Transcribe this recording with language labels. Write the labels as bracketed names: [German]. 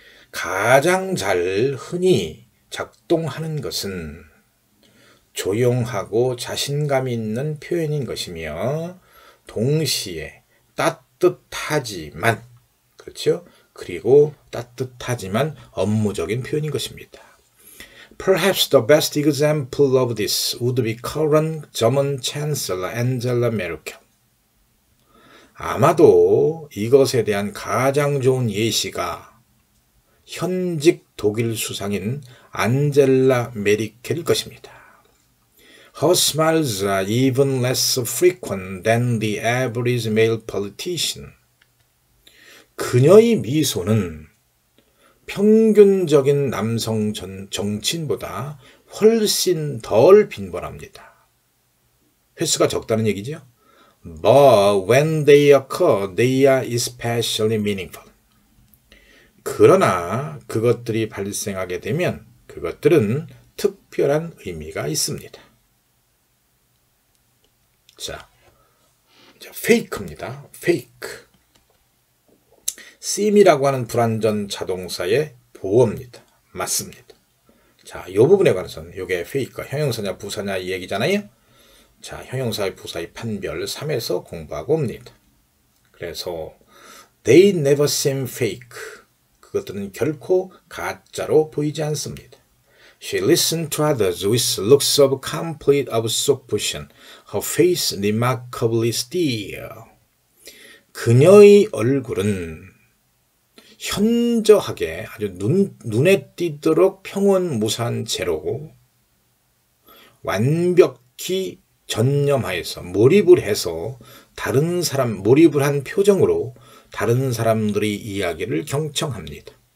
[Korean] 가장 잘 흔히 작동하는 것은 조용하고 자신감 있는 표현인 것이며 동시에 따뜻하지만 그렇죠? 그리고 따뜻하지만 업무적인 표현인 것입니다. [English] Perhaps the best example of this would be current German Chancellor Angela Merkel. [Korean] 아마도 이것에 대한 가장 좋은 예시가 현직 독일 수상인 안젤라 메르켈일 것입니다. [English] Her smiles are even less frequent than the average male politician. [Korean] 그녀의 미소는 평균적인 남성 정치인보다 훨씬 덜 빈번합니다. 횟수가 적다는 얘기죠. [English] But when they occur, they are especially meaningful. [Korean] 그러나 그것들이 발생하게 되면 그것들은 특별한 의미가 있습니다. 자, 이제 fake입니다. fake. seem이라고 하는 불완전 자동사의 보어입니다. 맞습니다. 자, 이 부분에 관해서는 이게 fake가 형용사냐 부사냐 이 얘기잖아요. 자, 형용사의 부사의 판별 3에서 공부하고 옵니다. 그래서 [English] they never seem fake. [Korean] 그것들은 결코 가짜로 보이지 않습니다. [English] She listened to others with looks of complete absorption. Her face remarkably still. [Korean] 그녀의 얼굴은 현저하게 아주 눈에 띄도록 평온무사한 채로 완벽히 전념하여서 몰입을 해서 다른 사람 몰입을 한 표정으로 다른 사람들의 이야기를 경청합니다.